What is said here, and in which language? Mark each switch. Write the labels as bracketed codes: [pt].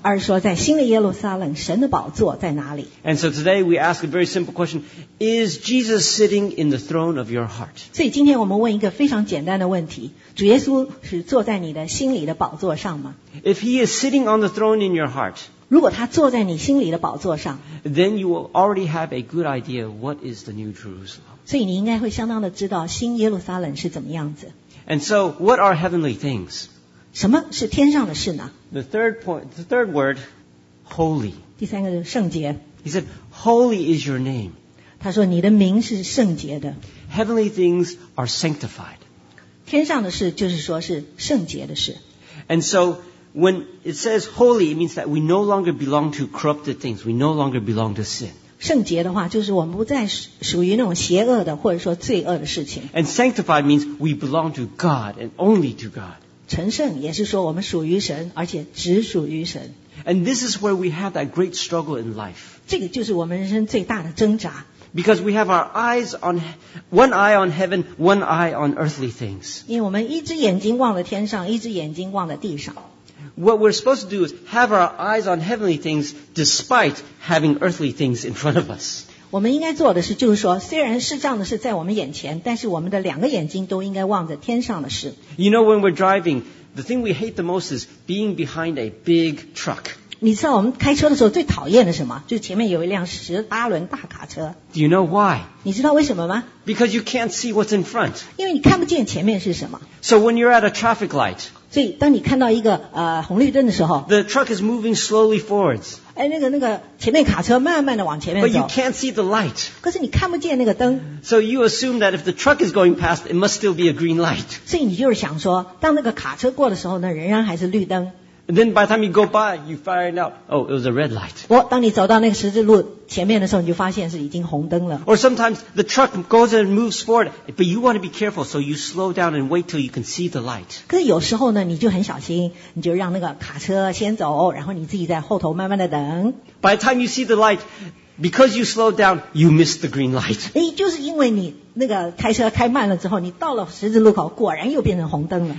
[zh] 而是说在新的耶路撒冷，神的宝座在哪里？ [en] And so today we ask a very simple question: Is Jesus sitting in the throne of your heart? [zh] 所以今天我们问一个非常简单的问题：主耶稣是坐在你的心里的宝座上吗？ [en] If he is sitting on the throne in your heart, [zh] 如果他坐在你心里的宝座上， [en] then you will already have a good idea what is the New Jerusalem. [zh] 所以你应该会相当的知道新耶路撒冷是怎么样子。 [en] And so, what are heavenly things? [zh] 什么是天上的事呢？ [en] The third word, holy. [zh] 第三个是圣洁。 [en] He said, holy is your name. [zh] 他说你的名是圣洁的。 [en] Heavenly things are sanctified. [zh] 天上的事就是说是圣洁的事。 [en] And so, when it says holy, it means that we no longer belong to corrupted things. We no longer belong to sin. [zh] 圣洁的话就是我们不再属于那种邪恶的或者说罪恶的事情。 [en] And sanctified means we belong to God and only to God. [zh] 成圣也是说我们属于神而且只属于神。 [en] And this is where we have that great struggle in life. [zh] 这个就是我们人生最大的挣扎。 [en] Because we have our eyes on, one eye on heaven, one eye on earthly things. [zh] 因为我们一只眼睛望了天上，一只眼睛望了地上。 [en] What we're supposed to do is have our eyes on heavenly things despite having earthly things in front of us. [zh] 我们应该做的是就是说虽然世上的事在我们眼前但是我们的两个眼睛都应该望着天上的事。 [en] You know, when we're driving, the thing we hate the most is being behind a big truck. [zh] 你知道我们开车的时候最讨厌的什么？就是前面有一辆十八轮大卡车。 [en] Do you know why? [zh] 你知道为什么吗？ [en] Because you can't see what's in front. [zh] 因为你看不见前面是什么。 [en] So when you're at a traffic light, [zh] 所以当你看到一个红绿灯的时候 [en] The truck is moving slowly forwards. [zh] 那个前面卡车慢慢的往前面走 [en] But you can't see the light. [zh] 可是你看不见那个灯 [en] So you assume that if the truck is going past, it must still be a green light. [zh] 所以你就是想说当那个卡车过的时候呢仍然还是绿灯 [en] And then by the time you go by, you find out, oh, it was a red light. [zh] 当你走到那个十字路前面的时候你就发现是已经红灯了 [en] Or sometimes the truck goes and moves forward but you want to be careful so you slow down and wait till you can see the light [zh] 可是有时候呢你就很小心你就让那个卡车先走然后你自己在后头慢慢的等 [en] By the time you see the light because you slow down you miss the green light [zh] 就是因为你那个开车开慢了之后你到了十字路口果然又变成红灯了